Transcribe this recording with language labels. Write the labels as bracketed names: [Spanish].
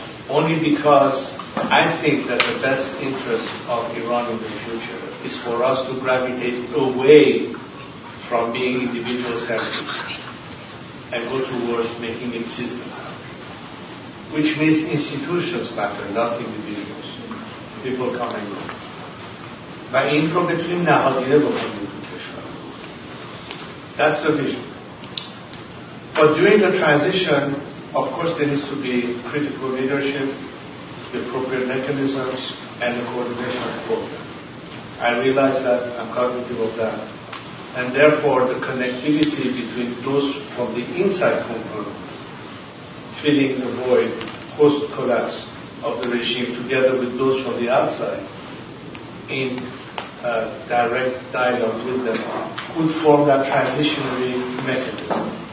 [English] only because I think that the best interest of Iran in the future is for us to gravitate away from being individual centered and go towards making it systems, which means institutions matter, not individuals. People come and go. [Persian] و این رو بتونیم نهادینه بکنیم تو کشور. [English] That's the vision. But during the transition, of course, there needs to be critical leadership, the appropriate mechanisms, and the coordination of both. I realize that, I'm cognitive of that. And therefore, the connectivity between those from the inside component, filling the void post-collapse, of the regime together with those from the outside in direct dialogue with them could form that transitionary mechanism.